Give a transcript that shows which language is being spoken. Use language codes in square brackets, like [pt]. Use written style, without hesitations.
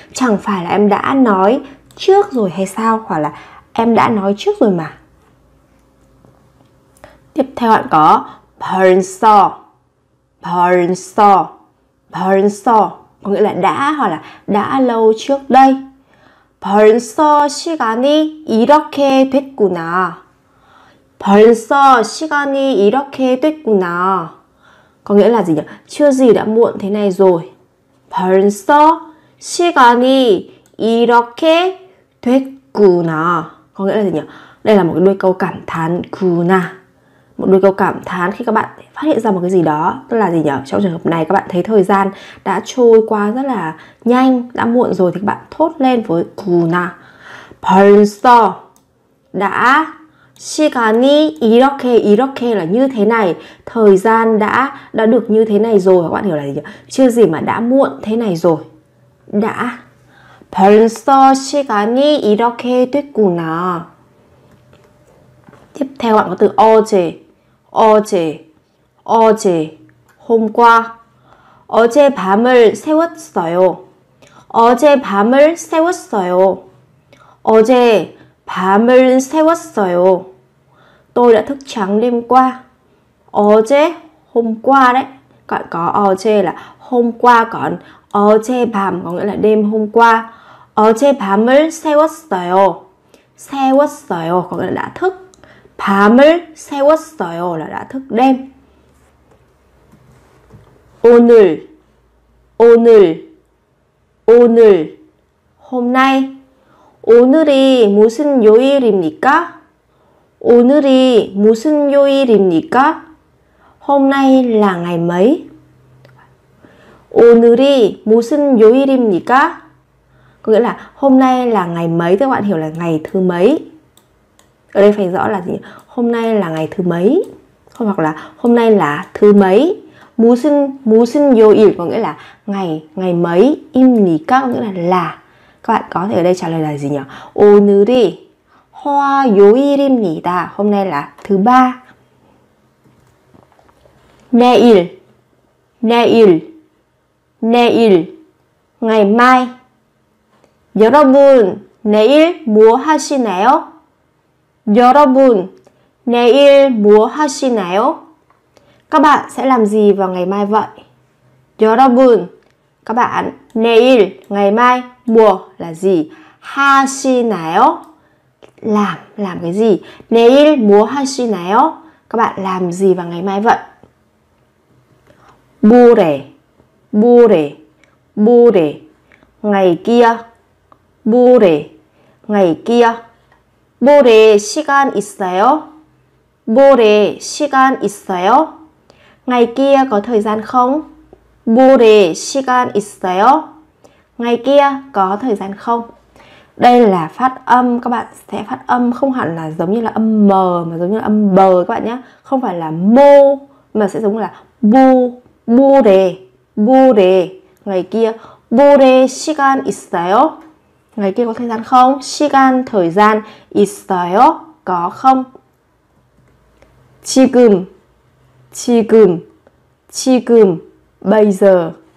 [vi] Chẳng phải là em đã nói trước rồi hay sao. Hoặc là em đã nói trước rồi mà. Tiếp theo bạn có 벌써. [ko] 벌써. [vi] 벌써 có nghĩa là đã hoặc là đã lâu trước đây. [ko] 벌써 시간이 이렇게 됐구나. 벌써 시간이 이렇게 됐구나. [vi] Có nghĩa là gì nhỉ? Chưa gì đã muộn thế này rồi. [ko] 벌써 시간이 이렇게 됐구나. [vi] Có nghĩa là gì nhỉ? Đây là một cái đuôi câu cảm thán 구나. Một đôi câu cảm thán khi các bạn phát hiện ra một cái gì đó. Tức là gì nhỉ? Trong trường hợp này các bạn thấy thời gian đã trôi qua rất là nhanh, đã muộn rồi thì các bạn thốt lên với 구나. 벌써 đã 시간이 이렇게 이렇게 là như thế này. Thời gian đã được như thế này rồi. Các bạn hiểu là gì nhỉ? Chưa gì mà đã muộn thế này rồi. [ko] Đã 벌써 시간이 이렇게 됐구나. [vi] Tiếp theo bạn có từ 어제, 어제, 어제, hôm qua. [ko] 어제 밤을 세웠어요. 어제 밤을 세웠어요. 어제 밤을 세웠어요. [vi] Tôi đã thức trắng đêm qua. 어제, hôm qua đấy. Còn có 어제 là hôm qua, còn 어제 밤 có nghĩa là đêm hôm qua. [ko] 어제 밤을 세웠어요. [vi] 세웠어요 có nghĩa là đã thức. 밤을 세웠어요 là đã thức đêm. [ko] 오늘, 오늘, 오늘, hôm nay. 오늘이 무슨 요일입니까? 오늘이 무슨 요일입니까? [vi] Hôm nay là ngày mấy? [ko] 오늘이 무슨 요일입니까? [vi] Có nghĩa là hôm nay là ngày mấy? Các bạn hiểu là ngày thứ mấy? Ở đây phải rõ là gì? Hôm nay là ngày thứ mấy? Không, hoặc là hôm nay là thứ mấy? 무슨, 무슨 요일 có nghĩa là ngày, ngày mấy? 입니까 có nghĩa là. Các bạn có thể ở đây trả lời là gì nhỉ? [ko] 오늘이 화요일입니다. [vi] Hôm nay là thứ ba. [ko] 내일, 내일, 내일, ngày mai. 여러분, 내일 뭐 하시나요? 여러분, 내일 뭐 하시나요? [vi] Các bạn sẽ làm gì vào ngày mai vậy? 여러분, các bạn, 내일, ngày mai, 뭐 là gì? 하시나요? Làm cái gì? [ko] 내일 뭐 하시나요? [vi] Các bạn làm gì vào ngày mai vậy? [ko] 모레, 모레, 모레, ngày kia. 모레, ngày kia. 모레 시간 있어요? 모레 시간 있어요? [vi] Ngày kia có thời gian không? [ko] 모레 시간 있어요? [vi] Ngày kia có thời gian không? Đây là phát âm, các bạn sẽ phát âm không hẳn là giống như là âm m mà giống như là âm b các bạn nhé. Không phải là mô mà sẽ giống như là bu, bu đề, bu đề. Ngày kia, bu đề [ko] 시간 있어요? [vi] Ngày kia có thời gian không? 시간, thời gian, 있어요? Có không? [ko] 지금, 지금, 지금, bây giờ.